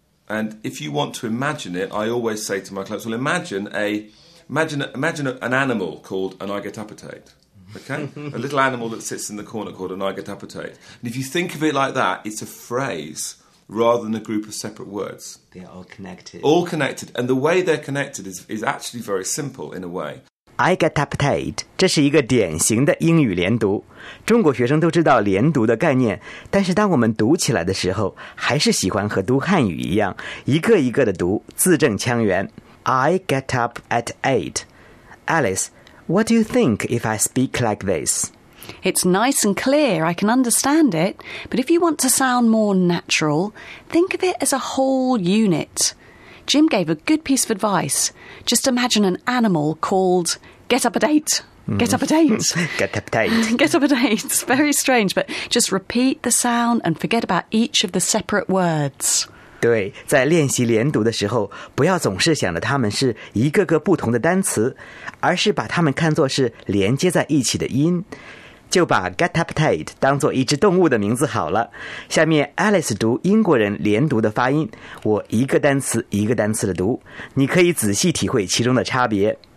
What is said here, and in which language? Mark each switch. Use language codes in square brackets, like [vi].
[en] And if you want to imagine it, I always say to my clients, well, imagine an animal called an I get up at 8. Okay? A little animal that sits in the corner called an I get up at 8. And if you think of it like that, it's a phrase rather than a group of separate words. They're all connected. All connected. And the way they're connected is actually very simple in a way. I get up at 8. [zh] 这是一个典型的英语连读。中国学生都知道连读的概念，但是当我们读起来的时候，还是喜欢和读汉语一样，一个一个的读，字正腔圆。 [en] I get up at 8. Alice, what do you think if I speak like this? It's nice and clear, I can understand it, but if you want to sound more natural, think of it as a whole unit. Jim gave a good piece of advice. Just imagine an animal called get up at eight. Get up at eight. Get up at eight. Get up at eight. It's very strange, but just repeat the sound and forget about each of the separate words. [zh] 对，在练习连读的时候，不要总是想着它们是一个个不同的单词，而是把它们看作是连接在一起的音。就把 [en] get up at 8 [zh] 当作一只动物的名字好了。下面 Alice 读英国人连读的发音，我一个单词一个单词的读，你可以仔细体会其中的差别。